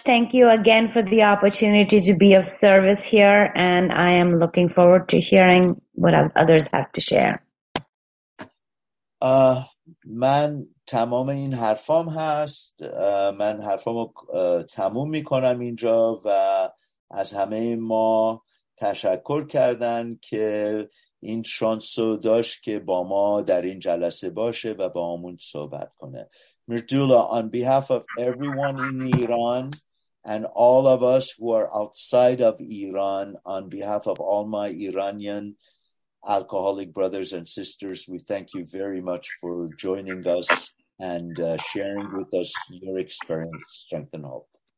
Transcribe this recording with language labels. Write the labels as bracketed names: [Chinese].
[English] Thank you again for the opportunity to be of service here, and I am looking forward to hearing what others have to share. [Persian] من تمام این حرفام هست، من حرفامو تموم میکنم اینجا و از همه ما تشکر کردن که این شانسو داشت که با ما در این جلسه باشه و با همون صحبت کنه. [English] Mirdula, on behalf of everyone in Iran and all of us who are outside of Iran, on behalf of all my Iranian alcoholic brothers and sisters, we thank you very much for joining us and sharing with us your experience, strength and hope.